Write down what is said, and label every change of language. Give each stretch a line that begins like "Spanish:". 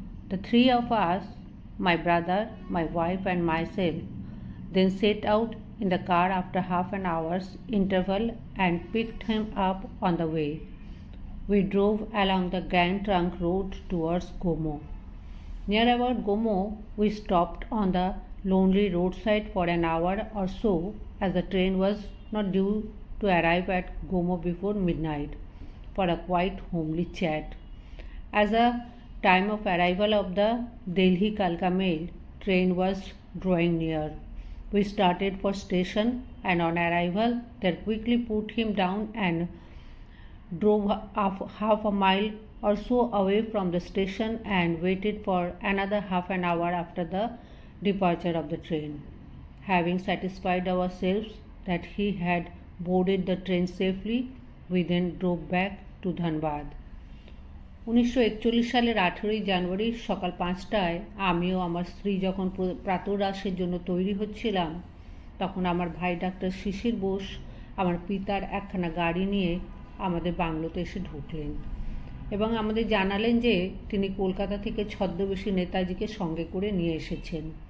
English: The three of us, my brother, my wife and my self then set out in the car after half an hours interval and picked him up on the way. We drove along the grand trunk road towards Gomoh. Near about Gomoh we stopped on the lonely roadside for an hour or so as the train was not due to arrive at Gomo before midnight for a quite homely chat. As the time of arrival of the Delhi-Kalka mail train was drawing near, we started for station and on arrival there quickly put him down and drove half a mile or so away from the station and waited for another half an hour after the departure of the train. Having satisfied ourselves that he had boarded the train safely, we then drove back to Dhanbad.
Bangla: 1941 সালের 18 জানুয়ারি সকাল 5টায় আমিও আমার স্ত্রী যখন প্রাতরাশের জন্য তৈরি হচ্ছিলাম তখন আমার ভাই ডাক্তার শিশির বোস আমার পিতার একখানা গাড়ি নিয়ে আমাদের বাংলোতে এসে ঢুকলেন এবং আমাদের জানালেন যে তিনি কলকাতা থেকে ছদ্মবেশী নেতাজিকে সঙ্গে করে নিয়ে এসেছেন।